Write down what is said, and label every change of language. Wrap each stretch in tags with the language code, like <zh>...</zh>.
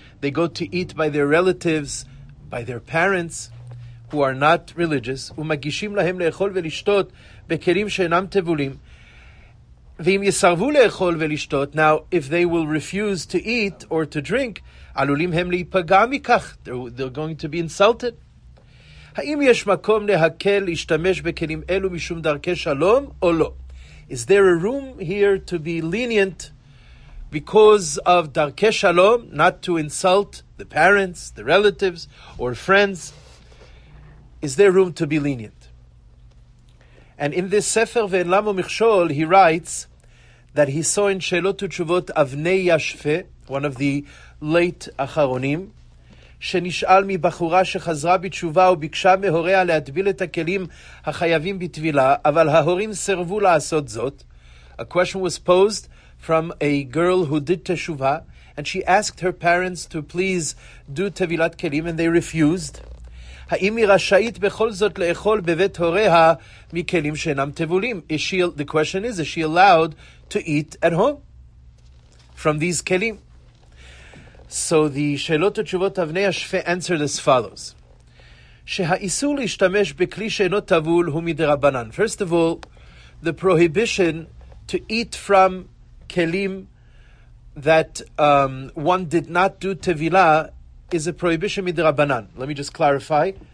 <en>They go to eat by their relatives, by their parents, who are not religious,</en> <he>ומגישים להם לאכול ולשתות בכלים שאינם תבולים. ואם יסרבו לאכול ולשתות,</he> <en>now, if they will refuse to eat or to drink,</en> <he>עלולים הם להיפגע מכך.</he> <en>They're going to be insulted.</en> <he>האם יש מקום להקל להשתמש בכלים אלו משום דרכי שלום או לא?</he> <en>Is there a room here to be lenient because of darkei shalom, not to insult the parents, the relatives, or friends? Is there room to be lenient? And in this Sefer Ve'en Lamo Michshol, he writes that he saw in Shelot U'Tshuvot Avnei Yashfe, one of the late Acharonim,</en> <he>שנשאל מבחורה שחזרה בתשובה וביקשה מהוריה להטביל את הכלים החייבים בתבילה, אבל ההורים סרבו לעשות זאת.</he> <en>A question was posed from a girl who did teshuvah, and she asked her parents to please do tevilat kelim, and they refused.</en> <he>האם היא רשאית בכל זאת לאכול בבית הוריה מכלים שאינם תבולים?</he> <en>The question is she allowed to eat at home from these kelim? So the Shelot U'Tshuvot Avnei Yashfe answered as follows.</en> <he>Sheha'isur lishtamesh bekli she'eino tavul hu midrabanan.</he> <en>First of all, the prohibition to eat from kelim that one did not do tevila is a prohibition midrabanan. Let me just clarify.</en>